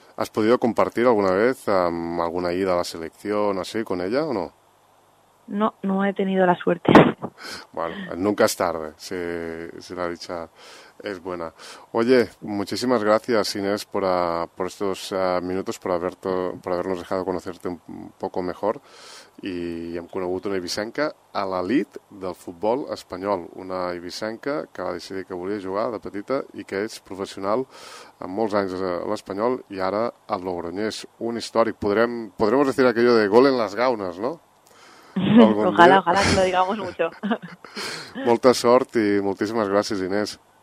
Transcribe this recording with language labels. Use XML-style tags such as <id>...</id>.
<es>¿Has podido compartir alguna vez alguna ida a la selección así con ella o no? No he tenido la suerte. Bueno, nunca es tarde, si la dicha es buena. Oye, muchísimas gracias, Inés, por estos minutos, por habernos dejado conocerte un poco mejor.</es> <ca>I hem conegut una eivissenca a l'elit del futbol espanyol, una eivissenca que va decidir que volia jugar de petita i que és professional amb molts anys a l'Espanyol i ara al Logroñés, un històric.</ca> <es>Podremos decir aquello de gol en las gaunas, no? Ojalá, ojalá que lo digamos mucho.</es> <ca>Molta sort i moltíssimes gràcies, Inés.</ca>